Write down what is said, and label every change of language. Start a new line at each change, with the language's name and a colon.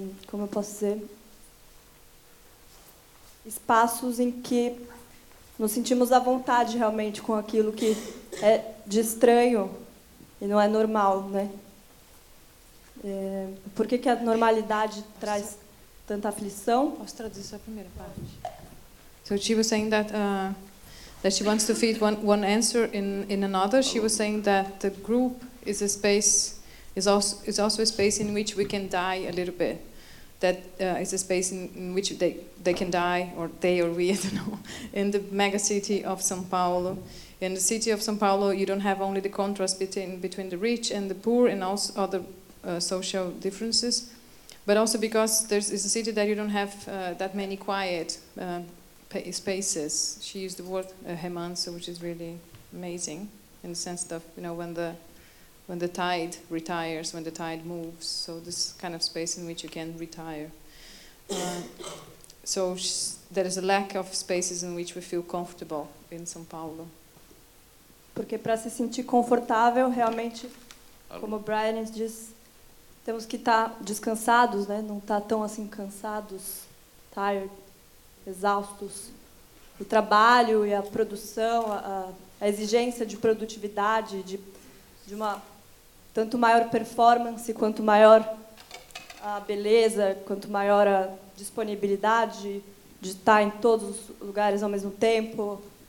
Portuguese: como eu posso dizer, espaços em que nos sentimos à vontade realmente com aquilo que é de estranho e não é normal, né? Por que que a normalidade traz tanta aflição? Posso traduzir essa primeira parte?
English: So she was saying that that she wants to feed one answer in another. She was saying that the group is a space, is also a space in which we can die a little bit. That is a space in which they can die, or they or we, I don't know, in the mega city of São Paulo. In the city of São Paulo, you don't have only the contrast between the rich and the poor and also other social differences, but also because it's a city that you don't have that many quiet spaces. She used the word remanso, which is really amazing, in the sense that, you know, when the tide retires, when the tide moves, so this kind of space in which you can retire. So there is a lack of spaces in which we feel comfortable in São Paulo.
Portuguese: Porque para se sentir confortável, realmente, como Brian diz, temos que estar descansados, né? Não estar tão assim cansados, tired, exaustos. O trabalho e a produção, a exigência de produtividade, de uma tanto maior performance, quanto maior a beleza, quanto maior a disponibilidade de estar em todos os lugares ao mesmo tempo.